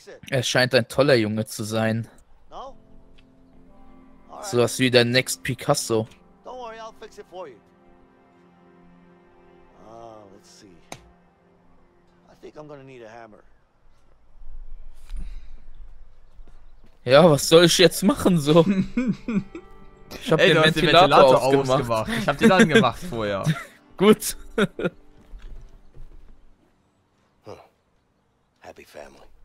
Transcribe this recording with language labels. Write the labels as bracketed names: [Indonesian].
[German] Er scheint ein toller Junge zu sein. So was wie der Next Picasso. [English] Don't worry, I'll fix it for you. Let's see. I think I'm gonna need a hammer. [German] Ja, was soll ich jetzt machen so? Ich hab den Ventilator ausgemacht. Ich hab den dann gemacht vorher. Gut. [English] Happy family.